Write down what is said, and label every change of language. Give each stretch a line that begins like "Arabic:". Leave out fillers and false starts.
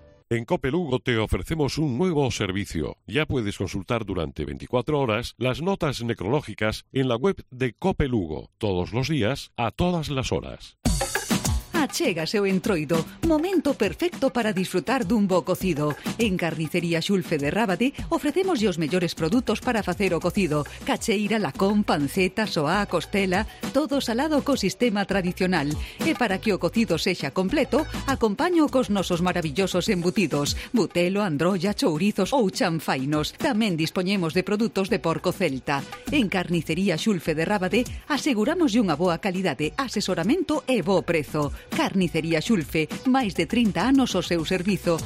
Spanish: En COPE Lugo te ofrecemos un nuevo servicio. Ya puedes consultar durante 24 horas las notas necrológicas en la web de COPE Lugo. Todos los días, a todas las horas. A
Galician: Achégase o Entroido, momento perfecto para disfrutar dun bo cocido. En Carnicería Xulfe de Rábade ofrecemos os mellores produtos para facer o cocido. Cacheira, lacón, panceta, soá, costela, todo salado co sistema tradicional. E para que o cocido sexa completo, acompaño cos nosos maravillosos embutidos. Butelo, androlla, chourizos ou chanfainos. Tamén dispoñemos de produtos de porco celta. En Carnicería Xulfe de Rábade aseguramos unha boa calidade, asesoramento e bo prezo. Carnicería Xulfe, máis de 30 anos ao seu servizo.